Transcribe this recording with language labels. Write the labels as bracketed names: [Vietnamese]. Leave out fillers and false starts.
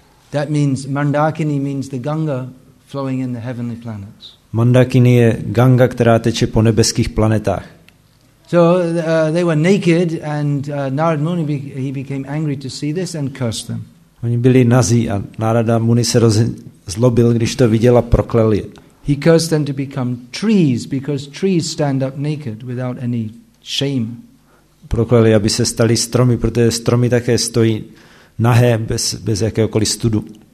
[English] That means Mandakini means the Ganga flowing in the heavenly planets. [Czech] Mandakini je Ganga, která teče po nebeských planetách. [English] So they were naked and Narad Muni he became angry to see this and cursed them. [Czech] Oni byli nazí a Narada Muni se zlobil, když to viděl a proklel je. [English] He cursed them to become trees because trees stand up naked without any shame. [Czech] Proklel je, aby se stali stromy, protože stromy také stojí nahé bez jakéhokoliv studu.